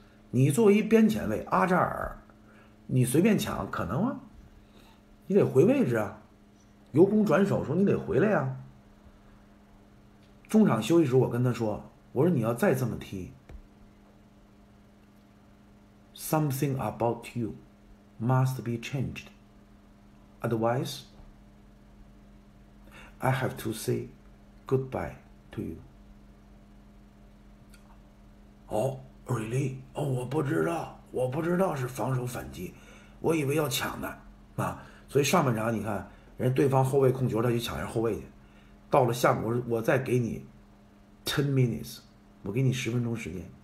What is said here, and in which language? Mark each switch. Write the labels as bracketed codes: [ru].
[zh] 你作为一边前卫阿扎尔，你随便抢可能吗？你得回位置啊，由攻转守，说你得回来呀。中场休息时，我跟他说，我说你要再这么踢。 [en] Something about you must be changed. Otherwise, I have to say goodbye to you. Oh, really? [zh] Oh, 我不知道，我不知道是防守反击，我以为要抢呢。啊，所以上半场你看，人对方后卫控球，他去抢人后卫去。到了下半场，我再给你 [en] 10 minutes， [zh] 我给你10分钟时间。